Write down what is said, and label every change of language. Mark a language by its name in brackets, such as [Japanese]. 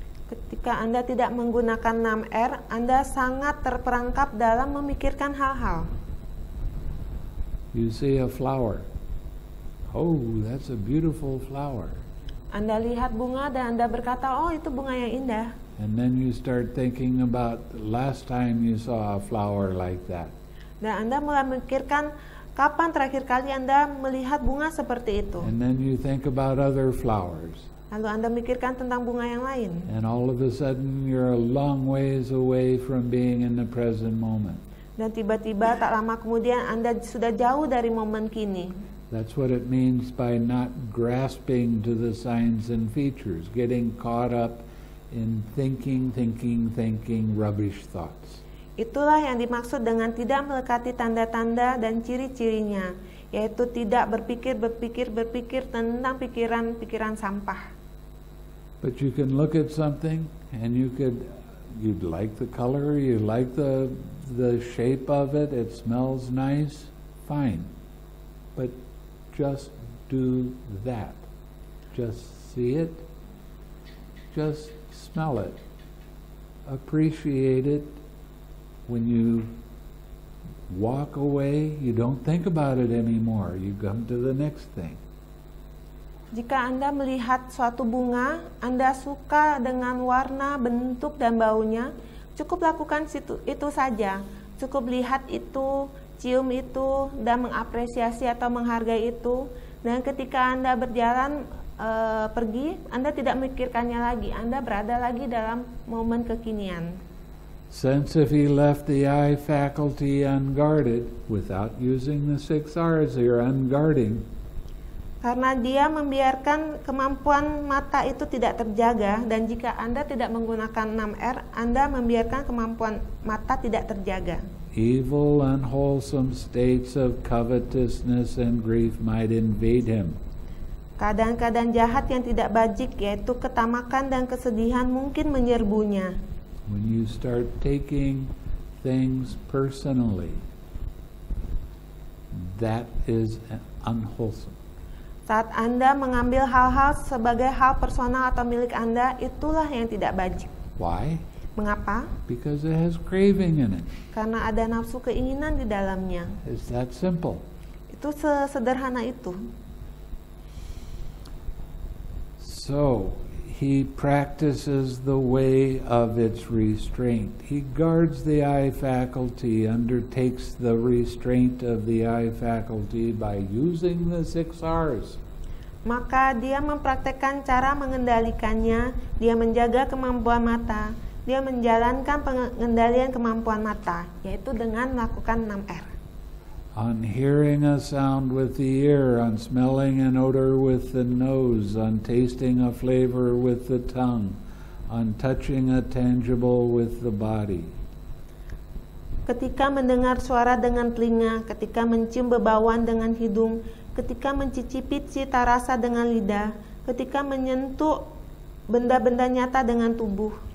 [Indonesian] Ketika Anda tidak menggunakan 6R, Anda sangat terperangkap dalam memikirkan hal-hal. [English] You see a flower. Oh, that's a beautiful flower. [Indonesian] Anda lihat bunga dan Anda berkata, oh, itu bunga yang indah. [English] And then you start thinking about the last time you saw a flower like that. [Indonesian] Dan Anda mulai memikirkan kapan terakhir kali Anda melihat bunga seperti itu. [English] And then you think about other flowers. [Indonesian] Lalu Anda mikirkan tentang bunga yang lain. [English] And all of a sudden you're a long ways away from being in the present moment. [Indonesian] Dan tiba-tiba tak lama kemudian Anda sudah jauh dari momen kini. [English] That's what it means by not grasping to the signs and features, getting caught up in thinking rubbish thoughts. [Indonesian] Itulah yang dimaksud dengan tidak melekati tanda-tanda dan ciri-cirinya, yaitu tidak berpikir tentang pikiran-pikiran sampah. [English] But you can look at something and you'd like the color, you like the shape of it, it smells nice, fine. But just do that. Just see it. Just smell it. Appreciate it. When you walk away, you don't think about it anymore. You come to the next thing. [Indonesian] Jika Anda melihat suatu bunga, Anda suka dengan warna, bentuk, dan baunya, cukup lakukan itu saja. Cukup lihat itu, cium itu, dan mengapresiasi atau menghargai itu. Dan ketika Anda berjalan pergi, Anda tidak memikirkannya lagi. Anda berada lagi dalam momen kekinian. [English] Since if he left the eye faculty unguarded without using the six R's here, unguarding. [Indonesian] Karena dia membiarkan kemampuan mata itu tidak terjaga, dan jika Anda tidak menggunakan 6R, Anda membiarkan kemampuan mata tidak terjaga. [English] Evil, unwholesome states of covetousness and grief might invade him. [Indonesian] Keadaan-keadaan jahat yang tidak bajik, yaitu ketamakan dan kesedihan, mungkin menyerbunya. [English] When you start taking things personally, that is unwholesome. [Indonesian] Saat Anda mengambil hal-hal sebagai hal personal atau milik Anda, itulah yang tidak bajik. [English] Why? [Indonesian] Mengapa? [English] Because it has craving in it. [Indonesian] Karena ada nafsu keinginan di dalamnya. [English] Is that simple? [Indonesian] Itu sesederhana itu. [English] So, he practices the way of its restraint. He guards the eye faculty, undertakes the restraint of the eye faculty by using the six R's. [Indonesian] Maka dia mempraktekkan cara mengendalikannya, dia menjaga kemampuan mata, dia menjalankan pengendalian kemampuan mata, yaitu dengan melakukan 6R. [English] On hearing a sound with the ear, on smelling an odor with the nose, on tasting a flavor with the tongue, on touching a tangible with the body. [Indonesian] Ketika mendengar suara dengan telinga, ketika mencium bebauan dengan hidung, ketika mencicipi cita rasa dengan lidah, ketika menyentuh benda-benda nyata dengan tubuh.